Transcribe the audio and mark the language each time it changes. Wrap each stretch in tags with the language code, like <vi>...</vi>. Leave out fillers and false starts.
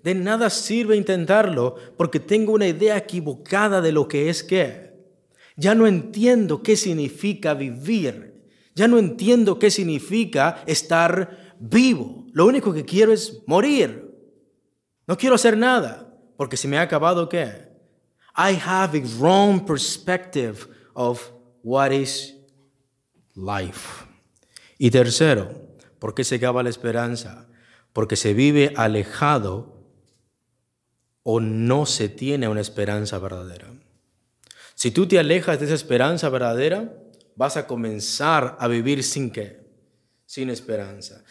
<es>De nada sirve intentarlo porque tengo una idea equivocada de lo que es qué. Ya no entiendo qué significa vivir. Ya no entiendo qué significa estar vivo. Lo único que quiero es morir. No quiero hacer nada. Porque se me ha acabado ¿qué?</es> <en>I have a wrong perspective of what is life.</en> <es>Y tercero, ¿por qué se acaba la esperanza? Porque se vive alejado o no se tiene una esperanza verdadera. Si tú te alejas de esa esperanza verdadera, vas a comenzar a vivir sin ¿qué? Sin esperanza.</es>